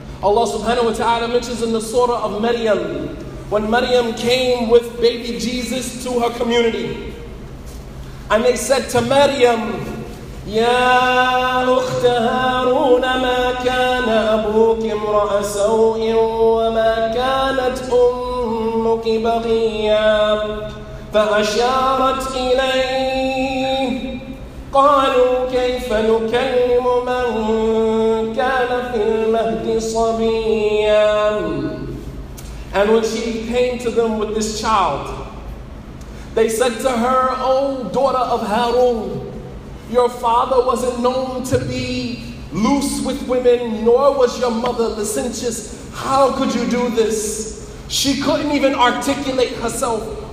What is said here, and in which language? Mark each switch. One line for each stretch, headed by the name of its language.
English: Allah subhanahu wa ta'ala mentions in the surah of Maryam, when Maryam came with baby Jesus to her community, and they said to Maryam,
Arabic: Ya ukhta Harun, ma kana abuki imra'a sawin wa ma kanat ummuki baghiya. فأشارت إليه قالوا كيف نكلم من كان في المهد صبيا.
English: And when she came to them with this child, they said to her, O daughter of Harun, Your father wasn't known to be loose with women, nor was your mother licentious. How could you do this? She couldn't even articulate herself.